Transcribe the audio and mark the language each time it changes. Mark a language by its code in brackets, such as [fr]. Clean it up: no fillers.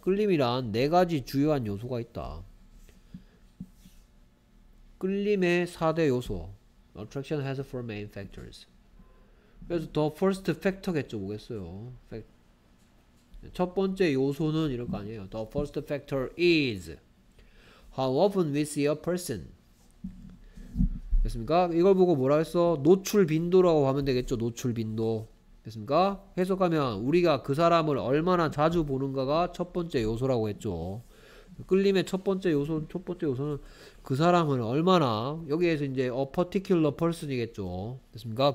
[ko] 끌림이란 네 가지 주요한 요소가 있다. 끌림의 4대 요소. [en] attraction has four main factors. [ko] 그래서 the first factor겠죠. 뭐겠어요? 첫 번째 요소는 이럴 거 아니에요. [en] the first factor is how often we see a person. [ko] 됐습니까? 이걸 보고 뭐라 했어? 노출 빈도라고 하면 되겠죠. 노출 빈도. 됐습니까? 해석하면 우리가 그 사람을 얼마나 자주 보는가가 첫 번째 요소라고 했죠. 끌림의 첫 번째 요소, 첫 번째 요소는 그 사람을 얼마나, 여기에서 이제 a particular person이겠죠. 됐습니까?